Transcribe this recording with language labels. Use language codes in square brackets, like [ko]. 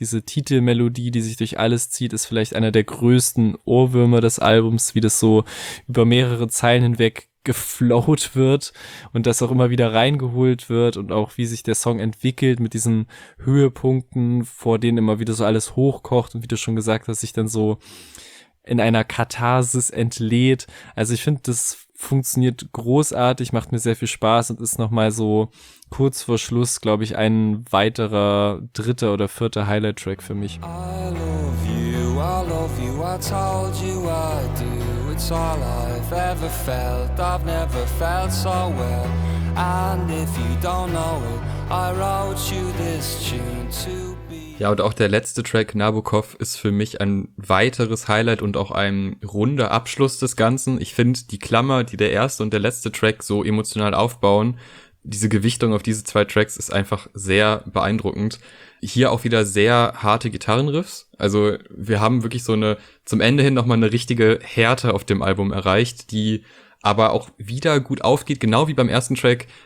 [de] Diese Titelmelodie, die sich durch alles zieht, ist vielleicht einer der größten Ohrwürmer des Albums, wie das so über mehrere Zeilen hinweg geflowt wird und das auch immer wieder reingeholt wird und auch wie sich der Song entwickelt mit diesen Höhepunkten, vor denen immer wieder so alles hochkocht und wie du schon gesagt hast, sich dann so in einer Katharsis entlädt. Also ich finde, das funktioniert großartig, macht mir sehr viel Spaß und ist nochmal so kurz vor Schluss, glaube ich, ein weiterer dritter oder vierter Highlight-Track für mich. [en] I love you, I love you, I told you I do, it's all I've ever felt, I've never felt so well, and if you don't know it, I wrote you this tune to. [de] Ja, und auch der letzte Track, Nabokov, ist für mich ein weiteres Highlight und auch ein runder Abschluss des Ganzen. Ich finde die Klammer, die der erste und der letzte Track so emotional aufbauen, diese Gewichtung auf diese zwei Tracks ist einfach sehr beeindruckend. Hier auch wieder sehr harte Gitarrenriffs. Also wir haben wirklich so eine, zum Ende hin nochmal eine richtige Härte auf dem Album erreicht, die aber auch wieder gut aufgeht, genau wie beim ersten Track.